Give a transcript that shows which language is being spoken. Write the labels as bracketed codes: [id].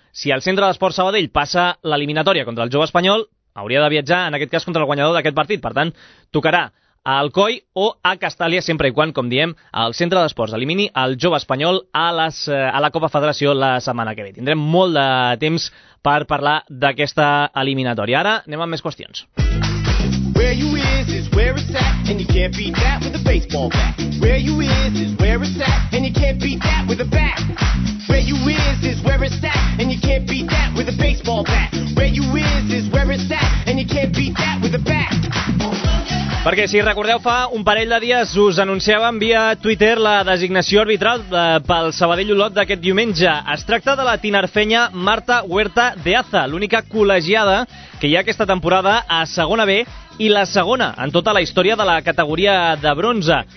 [ca] Si el Centre d'Esports Sabadell passa l'eliminatòria contra el Jove Espanyol, hauria de viatjar, en aquest cas, contra el guanyador d'aquest partit. Per tant, tocarà a Alcoi o a Castàlia, sempre i quan, com diem, el Centre d'Esports elimini el Jove Espanyol a la Copa Federació la setmana que ve. Tindrem molt de temps per parlar d'aquesta eliminatòria. Ara anem amb més qüestions. [en] Where you is where it's at, and you can't beat that with a baseball bat. Where you is where it's at, and you can't beat that with a bat. Where you is where it's at, and you can't beat that with a baseball bat. Where you is where it's at, and you can't beat that with a bat. [ca] Perquè si recordeu, fa un parell de dies us anunciàvem via Twitter la designació arbitral pel Sabadell Olot d'aquest diumenge. Es tracta de la tinerfenya Marta Huerta de Aza, l'única col·legiada que hi ha aquesta temporada a segona B i la segona en tota la història de la categoria de bronze.